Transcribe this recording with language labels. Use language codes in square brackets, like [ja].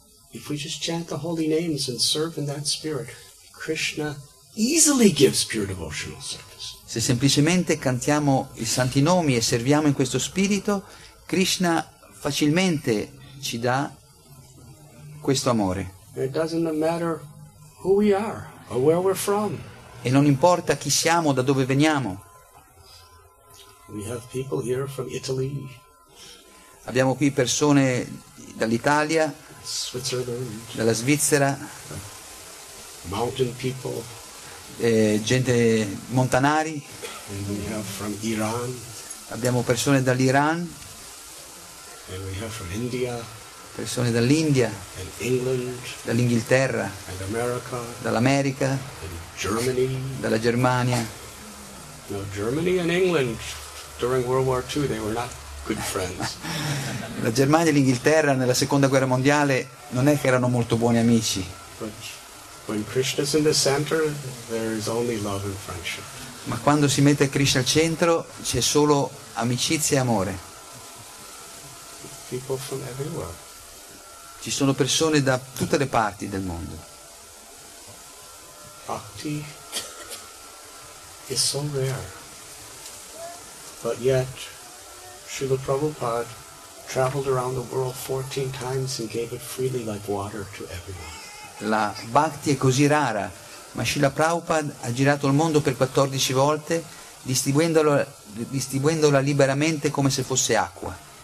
[en] if we just chant the holy names and serve in that spirit, Krishna easily gives pure devotional service. [it] Se semplicemente cantiamo i santi nomi e serviamo in questo spirito, Krishna facilmente ci dà questo amore. [en] It doesn't matter who we are or where we're from. [it] E non importa chi siamo, da dove veniamo. [en] We have people here from Italy. [it] Abbiamo qui persone dall'Italia, dalla Svizzera, [en] mountain people, [it] gente montanari. [en] And we have from Iran. [it] Abbiamo persone dall'Iran. [en] And we have from India. [it] Persone dall'India, [en] and England, [it] dall'Inghilterra, [en] and America, [it] dall'America, [en] and Germany, [it] dalla Germania. [en] No, Germany and England during World War II they were not good friends. [it] La Germania e l'Inghilterra nella Seconda Guerra Mondiale non è che erano molto buoni amici. [en] But when Krishna's in the center, there is only love and friendship. [it] Ma quando si mette Krishna al centro, c'è solo amicizia e amore. [en] People from everywhere. [it] Ci sono persone da tutte le parti del mondo. [en] Bhakti is so rare, but yet Srila Prabhupada traveled around the world 14 times and gave it freely like water to everyone. [it] La bhakti è così rara, ma Srila Prabhupada ha girato il mondo per 14 volte distribuendola liberamente come se fosse acqua.